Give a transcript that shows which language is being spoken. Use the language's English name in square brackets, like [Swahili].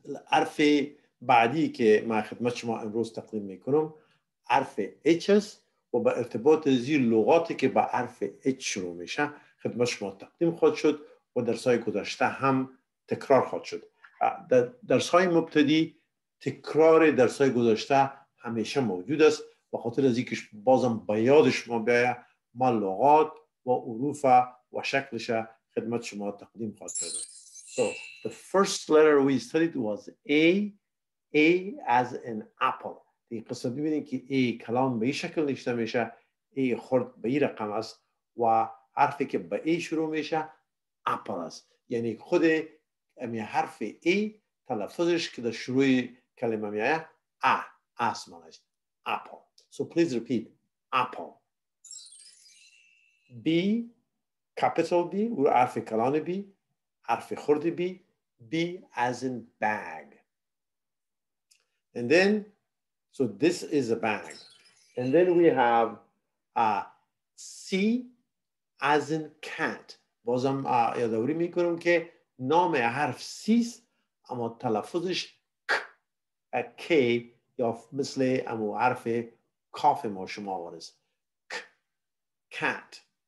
[Persian] حرف بعدی که من خدمت شما امروز تقدیم میکنم حرف H است و به ارتباط زیر لغاتی که با حرف H شروع میشه خدمت شما تقدیم خواهد شد و درسای گذشته هم تکرار خواهد شد. درسای مبتدی تکرار درسای گذشته همیشه موجود است، بخاطر از اینکه بازم به یاد شما بیاید ما لغات و حروف و شکلش خدمت شما تقدیم خواهد کرد. [English] So the first letter we studied was A. A as an apple. [Persian] این قسم ببینید که A کلام به این شکل نشته میشه، A خرد به این رقم است و حرفی که به A شروع میشه اپل است. یعنی خود امی حرف A تلفظش که در شروع کلمه می آید A است مانش اپل. [English] So please repeat apple. [Persian] B capital B و حرف کلان B حرف خرد B. [English] B as in bag. And then so this is a bag. And then we have C as in cat. [Persian] بازم یادآوری میکنم که نام حرف سی است اما تلفظش ک کی یا مثل امو حرف کاف ما شما آورست ک کات.